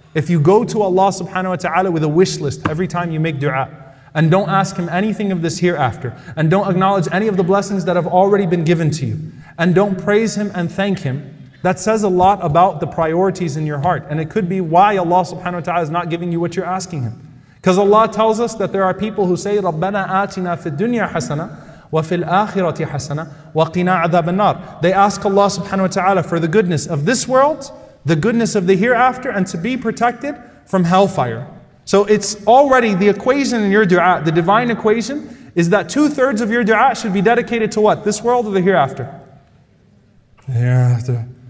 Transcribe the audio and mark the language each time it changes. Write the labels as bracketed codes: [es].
[en] If you go to Allah subhanahu wa ta'ala with a wish list every time you make dua, and don't ask Him anything of this hereafter, and don't acknowledge any of the blessings that have already been given to you, and don't praise Him and thank Him, that says a lot about the priorities in your heart. And it could be why Allah subhanahu wa ta'ala is not giving you what you're asking Him. Because Allah tells us that there are people who say, [ar] رَبَّنَا آتِنَا فِي الدُّنْيَا حَسَنَةً وَفِي الْآخِرَةِ حَسَنَةً وَقِنَا عَذَابَ النَّارِ. [en] They ask Allah subhanahu wa ta'ala for the goodness of this world, the goodness of the hereafter, and to be protected from hellfire. So it's already the equation in your dua, the divine equation, is that two-thirds of your dua should be dedicated to what? This world or the hereafter? The hereafter.